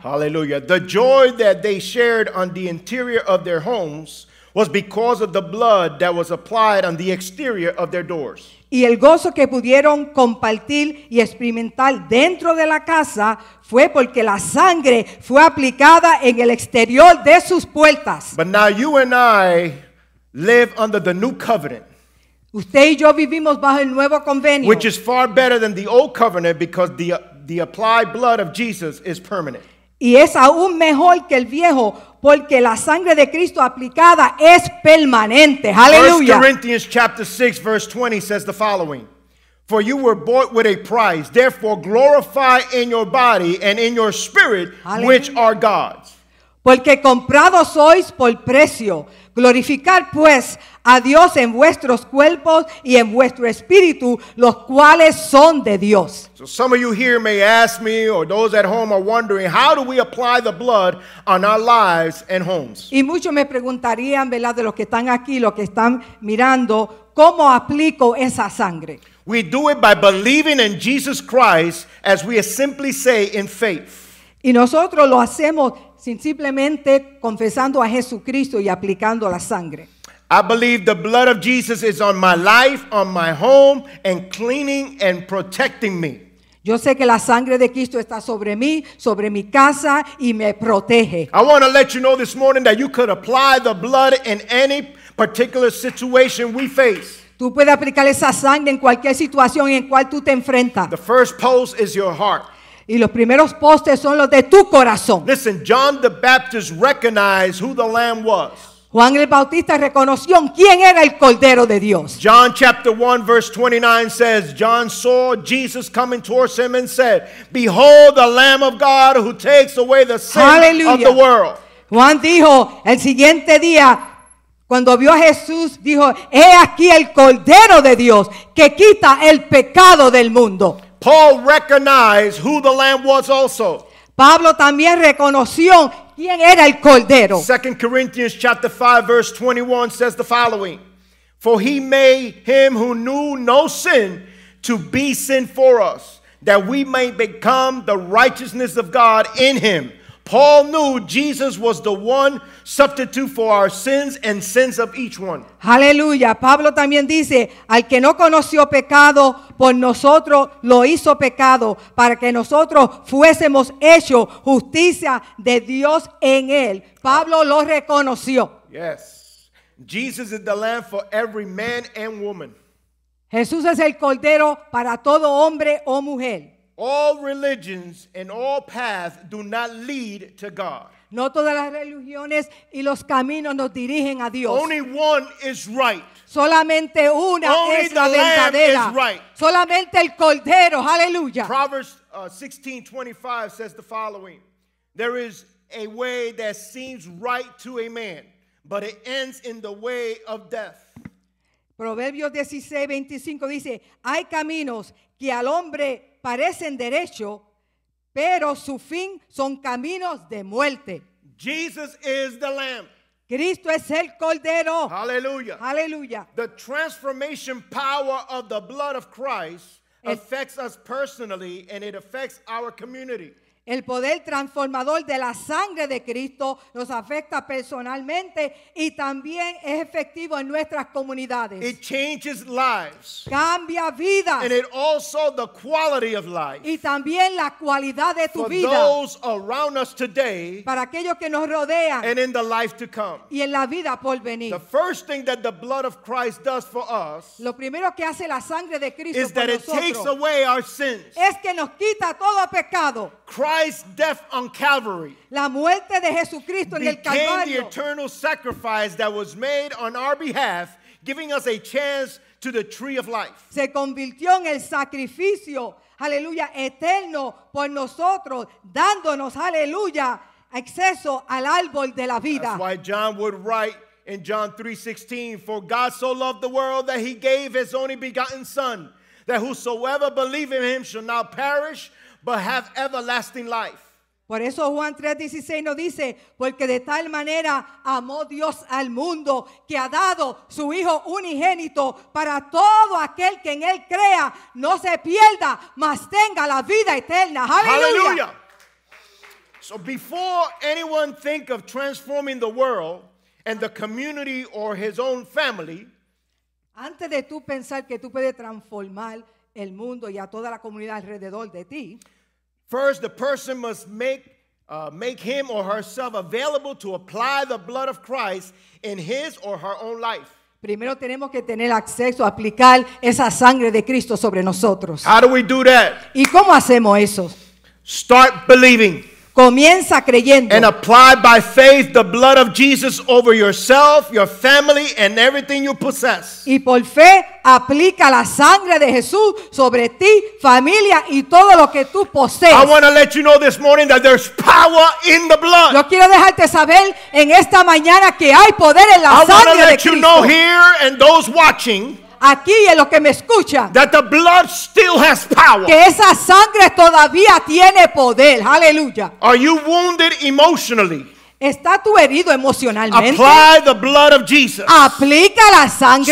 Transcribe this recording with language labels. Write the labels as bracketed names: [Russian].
[English] Hallelujah. The joy that they shared on the interior of their homes was because of the blood that was applied on the exterior of their doors. [Spanish] Y el gozo que pudieron compartir y experimentar dentro de la casa fue porque la sangre fue aplicada en el exterior de sus puertas. [English] But now you and I live under the new covenant. [Spanish] Usted y yo vivimos bajo el nuevo convenio, [English] which is far better than the old covenant, because the applied blood of Jesus is permanent. [Spanish] Y es aún mejor que el viejo, porque la sangre de Cristo aplicada es permanente. [English] Hallelujah. 1 Corinthians chapter 6 verse 20 says the following: For you were bought with a price, therefore glorify in your body and in your spirit, Hallelujah. Which are God's. [Spanish] Porque comprados sois por precio. Glorificar pues a Dios en vuestros cuerpos y en vuestro espíritu, los cuales son de Dios. [English] So some of you here may ask me, or those at home are wondering, how do we apply the blood on our lives and homes? [Spanish] Y muchos me preguntarían, ¿verdad?, de los que están aquí, los que están mirando, ¿cómo aplico esa sangre? [English] We do it by believing in Jesus Christ, as we simply say in faith. [Spanish] Y nosotros lo hacemos simplemente confesando a Jesucristo y aplicando la sangre. [English] I believe the blood of Jesus is on my life, on my home, and cleaning and protecting me. [Spanish] Yo sé que la sangre de Cristo está sobre mí, sobre mi casa, y me protege. [English] I want to let you know this morning that you could apply the blood in any particular situation we face. [Spanish] Tú puedes aplicar esa sangre en cualquier situación en cual tú te enfrentas. [English] The first post is your heart. [Spanish] Y los primeros postes son los de tu corazón. [English] Listen, John the Baptist recognized who the Lamb was. [Spanish] Juan el Bautista reconoció quién era el Cordero de Dios. [English] John chapter 1 verse 29 says, John saw Jesus coming towards him and said, behold the Lamb of God who takes away the sin Hallelujah. Of the world. [Spanish] Juan dijo, el siguiente día, cuando vio a Jesús, dijo, he aquí el Cordero de Dios que quita el pecado del mundo. [English] Paul recognized who the Lamb was also. [Spanish] Pablo también reconoció quién era el Cordero. [English] 2 Corinthians chapter 5 verse 21 says the following. For he made him who knew no sin to be sin for us, that we might become the righteousness of God in him. Paul knew Jesus was the one substitute for our sins and sins of each one. [Spanish] Aleluya. Pablo también dice, al que no conoció pecado, por nosotros lo hizo pecado, para que nosotros fuésemos hecho justicia de Dios en él. Pablo lo reconoció. [English] Yes. Jesus is the Lamb for every man and woman. [Spanish] Jesús es el Cordero para todo hombre o mujer. [English] All religions and all paths do not lead to God. [Spanish] No todas las religiones y los caminos nos dirigen a Dios. [English] Only one is right. [Spanish] Solamente una [English] Only [Spanish] es la verdadera. [English] Lamb is right. [Spanish] Solamente el Cordero. Hallelujah. [English] Proverbs 16:25 says the following. There is a way that seems right to a man, but it ends in the way of death. [Spanish] Proverbios 16:25 dice, hay caminos que al hombre parecen derecho, pero su fin son caminos de muerte. [English] Jesus is the Lamb. [Spanish] Cristo es el Cordero. [English] Hallelujah. Hallelujah. The transformation power of the blood of Christ affects us personally and it affects our community. [Spanish] El poder transformador de la sangre de Cristo nos afecta personalmente y también es efectivo en nuestras comunidades. [English] It changes lives. [Spanish] Cambia vidas. [English] And it also the quality of life. [Spanish] Y también la cualidad de tu vida. [English] For those around us today. [Spanish] Para aquellos que nos rodean. [English] And in the life to come. [Spanish] Y en la vida por venir. [English] The first thing that the blood of Christ does for us. [Spanish] Lo primero que hace la sangre de Cristo por nosotros. [English] Is that it takes away our sins. [Spanish] Es que nos quita todo pecado. [English] Christ's death on Calvary [Spanish] La muerte de Jesucristo en el Calvario [English] became the eternal sacrifice that was made on our behalf, giving us a chance to the tree of life. [Spanish] Se convirtió en el sacrificio, aleluya, eterno por nosotros, dándonos, aleluya, acceso al árbol de la vida. [English] That's why John would write in John 3:16, for God so loved the world that he gave his only begotten son, that whosoever believe in him shall not perish, but have everlasting life. [Spanish] Por eso Juan 3:16 nos dice, porque de tal manera amó Dios al mundo que ha dado su hijo unigénito para todo aquel que en él crea no se pierda, mas tenga la vida eterna. [English] Hallelujah. So before anyone think of transforming the world and the community or his own family, [Spanish] antes de tú pensar que tú puedes transformar el mundo y a toda la comunidad alrededor de ti, [English] first, the person must make him or herself available to apply the blood of Christ in his or her own life. [Spanish] Primero tenemos que tener acceso a aplicar esa sangre de Cristo sobre nosotros. [English] How do we do that? [Spanish] ¿Y cómo hacemos eso? [English] Start believing. [Spanish] Comienza creyendo. [English] And apply by faith the blood of Jesus over yourself, your family, and everything you possess. [Spanish] Y por fe aplica la sangre de Jesús sobre ti, familia, y todo lo que tú posees. [English] I want to let you know this morning that there's power in the blood. [Spanish] Yo quiero dejarte saber en esta mañana que hay poder en la sangre de Cristo. [English] I want to let you know here and those watching. [Spanish] Aquí en lo que me escucha, [English] that the blood still has power. [Spanish] Que esa sangre todavía tiene poder. Hallelujah. [English] Are you wounded emotionally? [Spanish] ¿Está tu herido emocionalmente? [English] Apply the blood of Jesus. [Spanish] Aplica la sangre